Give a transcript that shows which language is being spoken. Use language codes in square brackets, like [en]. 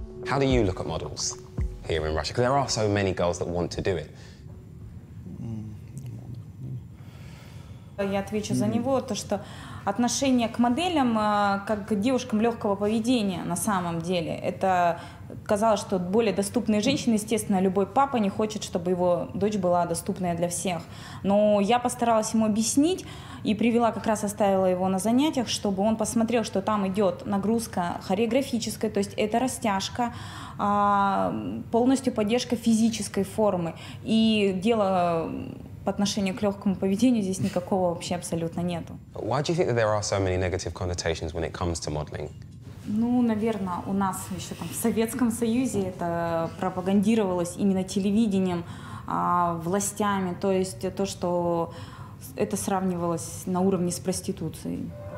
[en] How do you look at models here in Russia? Because there are so many girls that want to do it. [ru] Я отвечу за него, то, что отношение к моделям как к девушкам легкого поведения на самом деле. Это казалось, что более доступные женщины, естественно, любой папа не хочет, чтобы его дочь была доступная для всех. Но я постаралась ему объяснить и привела, как раз оставила его на занятиях, чтобы он посмотрел, что там идет нагрузка хореографическая, то есть это растяжка, полностью поддержка физической формы. И дело... По отношению к легкому поведению здесь никакого вообще абсолютно нету. [en] Why do you think that there are so many negative connotations when it comes to modeling? [ru] Ну, наверное, у нас еще там в Советском Союзе это пропагандировалось именно телевидением, властями, то есть то, что это сравнивалось на уровне с проституцией.